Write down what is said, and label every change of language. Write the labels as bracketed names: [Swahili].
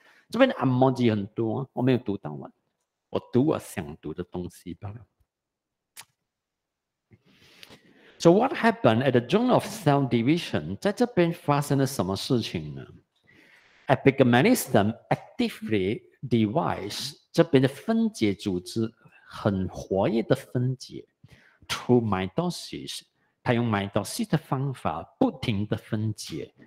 [Chinese] 这边的 emoji 很多，我没有读到完，我读我想读的东西吧。 [English] So what happened at the zone of cell division? [Chinese] 在这边发生了什么事情呢？ [English] Apical meristem actively divides. [Chinese] 这边的分解组织很活跃的分解。 [English] Through mitosis, [Chinese] 它用 mitosis 的方法不停的分解。